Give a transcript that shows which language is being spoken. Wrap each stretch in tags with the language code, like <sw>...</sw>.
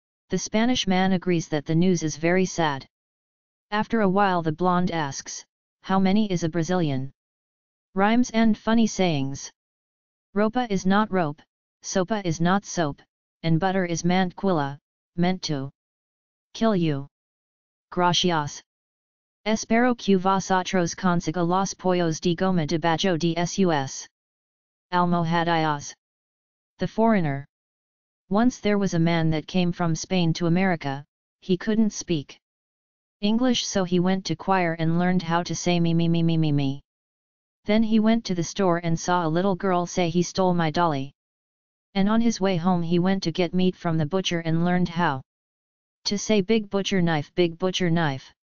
<en>The Spanish man agrees that the news is very sad. After a while the blonde asks, how many is a Brazilian? Rhymes and funny sayings. Ropa is not rope, sopa is not soap, and butter is mantequilla, meant to kill you.</en> <es>Gracias. Espero que vosotros consiga los pollos de goma de bajo de sus almohadillas.</es> <en>The foreigner. Once there was a man that came from Spain to America, he couldn't speak English, so he went to choir and learned how to say me me me me me me. Then he went to the store and saw a little girl say he stole my dolly. And on his way home he went to get meat from the butcher and learned how to say big butcher knife, big butcher knife.</en>